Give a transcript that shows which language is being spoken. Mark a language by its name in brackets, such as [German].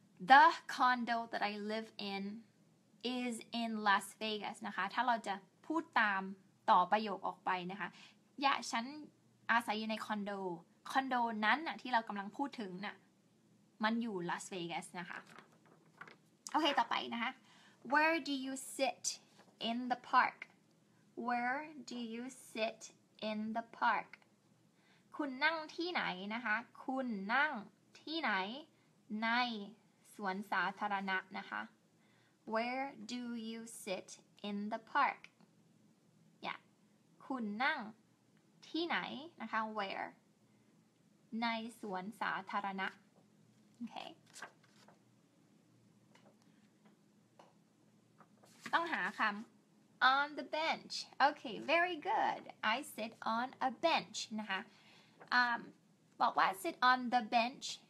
[English] the condo that I live in is in Las Vegas [Thai] นะคะถ้าเราจะพูดตามต่อประโยคออกไปนะคะอย่าฉันอาศัยอยู่ในคอนโดคอนโดนั้นน่ะที่เรากำลังพูดถึงน่ะมันอยู่ลาสเวกัสนะคะโอเคต่อไปนะคะ [English] Where do you sit in the park? Where do you sit in the park? [Thai] คุณนั่งที่ไหนนะคะคุณนั่งที่ไหนในสวนสาธารณะนะคะ [English] Where do you sit in the park? Yeah. [Thai] คุณนั่งที่ไหนนะคะ Where? ในสวนสาธารณะโอเคต้องหาคำ on the bench โอเค [English] very good I sit on a bench [Thai] นะคะบอกว่า sit on the bench